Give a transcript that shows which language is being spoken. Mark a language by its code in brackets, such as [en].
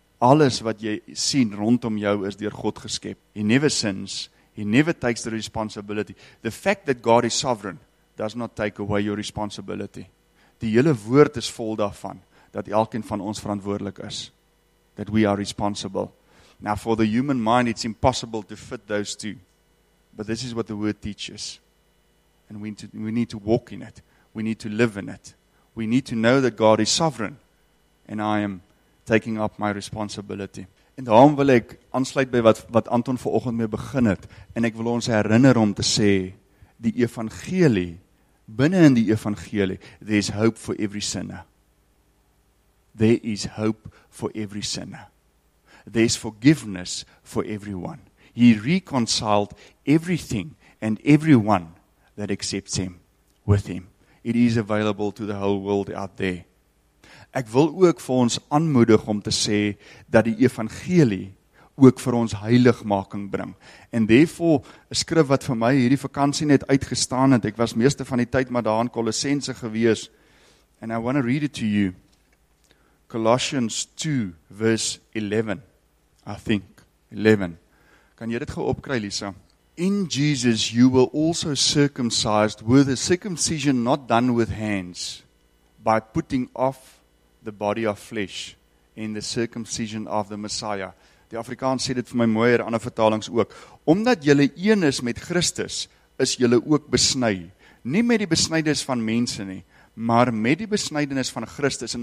[af] Alles wat jy sien rondom jou is deur God geskep. [en] He never sins. He never takes the responsibility. The fact that God is sovereign does not take away your responsibility. [af] Die hele woord is vol daarvan, dat elkeen van ons verantwoordelik is. [en] That we are responsible. Now for the human mind it's impossible to fit those two. But this is what the word teaches. And we need to walk in it. We need to live in it. We need to know that God is sovereign. And I am taking up my responsibility. [af] En daarom wil ek aansluit by wat Anton vanoggend mee begin het. En ek wil ons herinner om te sê, die evangelie, binne in die evangelie, [en] there is hope for every sinner. There is hope for every sinner. There is forgiveness for everyone. He reconciled everything and everyone that accepts him with him. It is available to the whole world out there. [af] Ek wil ook vir ons aanmoedig om te sê dat die evangelie ook vir ons heiligmaking bring. En daarvoor 'n skrif wat vir my hierdie vakansie net uitgestaan het. Ek was meeste van die tyd maar daar in Kolossense gewees. [en] And I want to read it to you. Colossians 2 verse 11. I think 11. [af] Kan jy dit gou opkry, Lisa? [en] In Jesus you were also circumcised with a circumcision not done with hands by putting off the body of flesh in the circumcision of the Messiah. [af] Die Afrikaans sê dit vir my mooier, ander vertalings ook. Omdat julle een is met Christus, is julle ook besny. Nie met die besnydenis van mense nie, maar met die besnydenis van Christus.